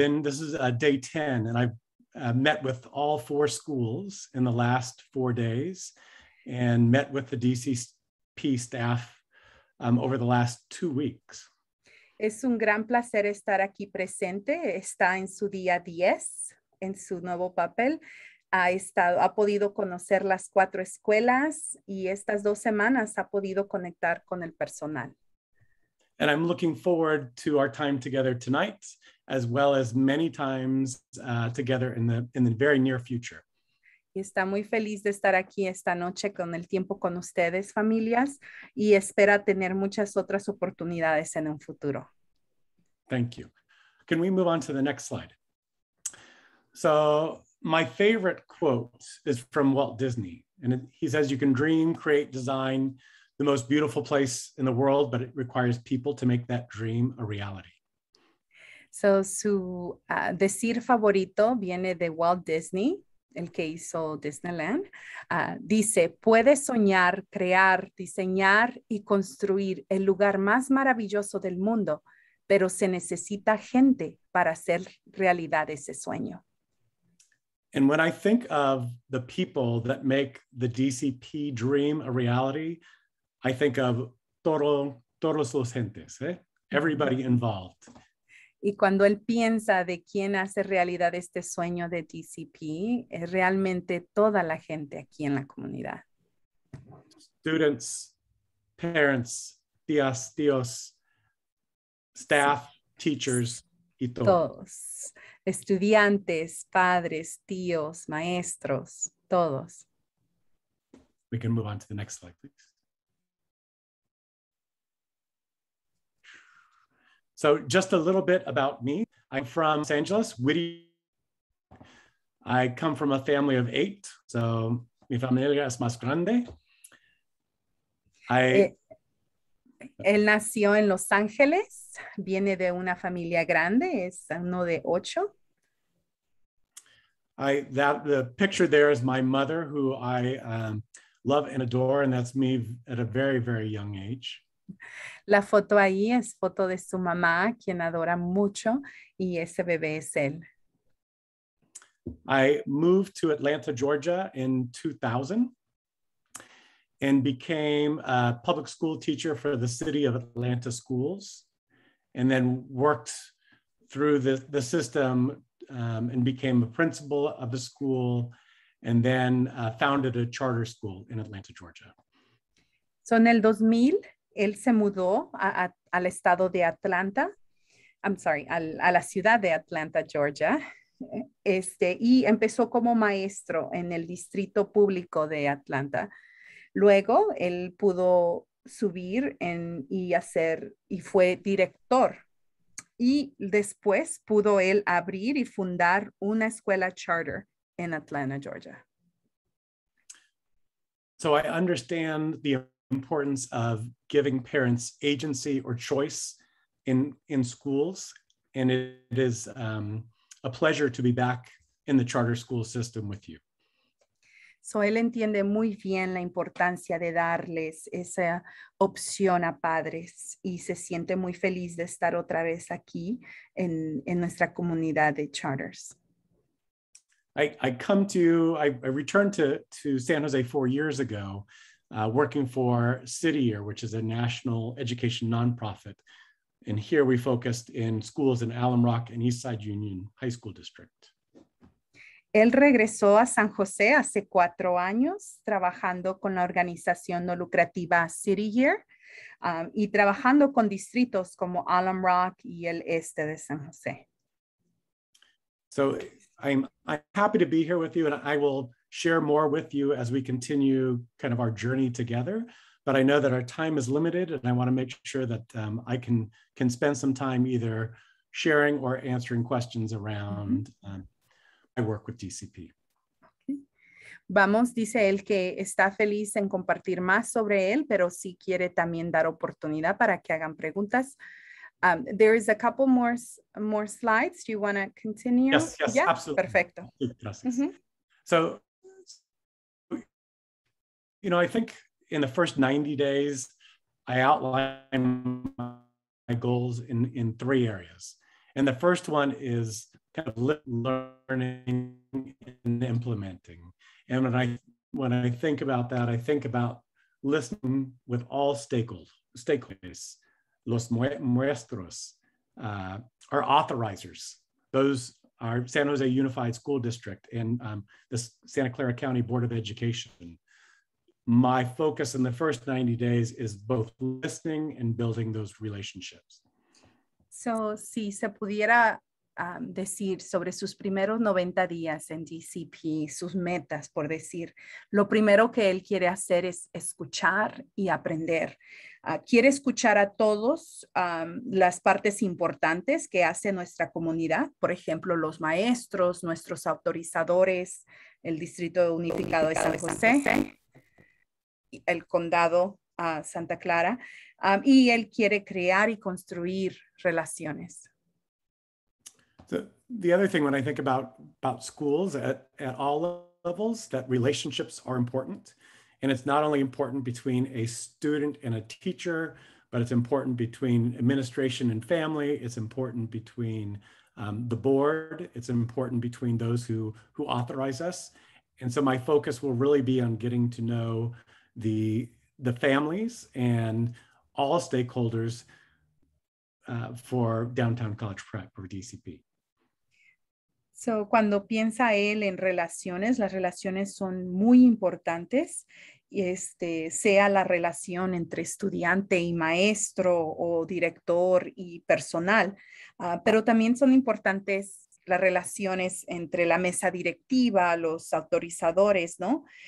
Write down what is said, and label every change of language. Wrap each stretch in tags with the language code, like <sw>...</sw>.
<en>This is day 10, and I've met with all four schools in the last 4 days and met with the DCP staff over the last 2 weeks.</en> <es>Es un gran placer estar aquí presente. Está en su día 10, en su nuevo papel. Ha podido conocer las cuatro escuelas y estas 2 semanas ha podido conectar con el personal.</es> <en>And I'm looking forward to our time together tonight, as well as many times together in the very near future.</en> <es>Y está muy feliz de estar aquí esta noche con el tiempo con ustedes, familias, y espera tener muchas otras oportunidades en un futuro.</es> <en>Thank you. Can we move on to the next slide? So my favorite quote is from Walt Disney. And he says, you can dream, create, design the most beautiful place in the world, but it requires people to make that dream a reality.</en> <es>So su decir favorito viene de Walt Disney, el que hizo Disneyland. Dice, puedes soñar, crear, diseñar y construir el lugar más maravilloso del mundo, pero se necesita gente para hacer realidad ese sueño.</es> <en>And when I think of the people that make the DCP dream a reality, I think of</en> <es>todos los gentes,</es> <en>everybody involved.</en> <es>Y cuando él piensa de quién hace realidad este sueño de DCP, es realmente toda la gente aquí en la comunidad.</es> <en>Students, parents,</en> <es>tías, tíos,</es> <en>staff,</en> <es>sí.</es> <en>Teachers,</en> <es>y todos. Estudiantes, padres, tíos, maestros, todos.</es> <en>We can move on to the next slide, please. So just a little bit about me. I'm from Los Angeles, Whittier. I come from a family of 8. So</en> <es>mi familia es más grande. Él nació en Los Ángeles. Viene de una familia grande. Es uno de 8.</es> <en>The picture there is my mother, who I love and adore. And that's me at a very, very young age.</en> <es>La foto ahí es foto de su mamá, quien adora mucho, y ese bebé es él.</es> <en>I moved to Atlanta, Georgia in 2000 and became a public school teacher for the city of Atlanta schools, and then worked through the system and became a principal of a school, and then founded a charter school in Atlanta, Georgia.</en> <es>So en el 2000, él se mudó al estado de Atlanta, a la ciudad de Atlanta, Georgia, y empezó como maestro en el distrito público de Atlanta. Luego él pudo subir y fue director. Y después pudo él abrir y fundar una escuela charter en Atlanta, Georgia.</es> <en>So I understand the importance of giving parents agency or choice in schools, and it is a pleasure to be back in the charter school system with you.</en> <es>So él entiende muy bien la importancia de darles esa opción a padres, y se siente muy feliz de estar otra vez aquí en nuestra comunidad de charters.</es> <en>I returned to San Jose 4 years ago, working for CityEar, which is a national education nonprofit. And here we focused in schools in Alum Rock and Eastside Union High School District.</en> <es>Él regresó a San José hace 4 años, trabajando con la organización no lucrativa CityEar, y trabajando con distritos como Alum Rock y el este de San José.</es> <en>So I'm happy to be here with you, and I will share more with you as we continue kind of our journey together. But I know that our time is limited, and I want to make sure that I can spend some time either sharing or answering questions around my work with DCP.</en> <es>Vamos, dice él que está feliz en compartir más sobre él, pero sí quiere también dar oportunidad para que hagan preguntas.</es> <en>There is a couple more slides. Do you want to continue? Yes, yeah, absolutely.</en> <es>Perfecto. Gracias.</es> <en>Mm-hmm. So, you know, I think in the first 90 days, I outline my goals in three areas. And the first one is kind of learning and implementing. And when I think about that, I think about listening with all stakeholders,</en> <es>los maestros,</es> <en>our authorizers, those are San Jose Unified School District and the Santa Clara County Board of Education. My focus in the first 90 days is both listening and building those relationships.</en> <es>So, si se pudiera decir sobre sus primeros 90 días en DCP, sus metas, por decir, lo primero que él quiere hacer es escuchar y aprender. Quiere escuchar a todos las partes importantes que hace nuestra comunidad, por ejemplo, los maestros, nuestros autorizadores, el Distrito Unificado de San José, el condado Santa Clara, y él quiere crear y construir relaciones.</es> <en>The other thing when I think about schools at all levels, that relationships are important. And it's not only important between a student and a teacher, but it's important between administration and family. It's important between the board. It's important between those who authorize us. And so my focus will really be on getting to know the families and all stakeholders for Downtown College Prep or DCP.</en> <es>So, cuando piensa él en relaciones, las relaciones son muy importantes, sea la relación entre estudiante y maestro o director y personal, pero también son importantes las relaciones entre la mesa directiva, los autorizadores, ¿no?</es>